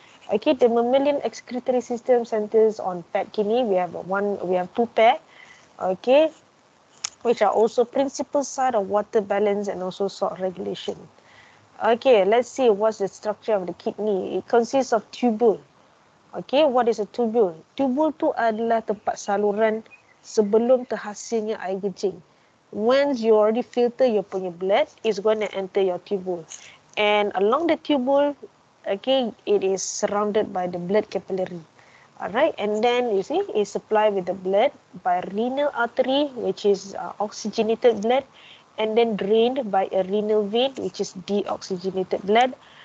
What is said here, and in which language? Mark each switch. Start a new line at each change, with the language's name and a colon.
English: Okay, the mammalian excretory system centers on fat kidney. We have two pair. Okay, which are also principal site of water balance and also salt regulation. Okay, let's see what's the structure of the kidney. It consists of tubule. Okay, what is a tubule?
Malay: Tubule tu adalah tempat saluran sebelum terhasilnya air kencing.
English: Once you already filter your punya blood, it's going to enter your tubule. And along the tubule, okay, it is surrounded by the blood capillary. Alright, and then you see, it's supplied with the blood by renal artery, which is oxygenated blood, and then drained by a renal vein, which is deoxygenated blood.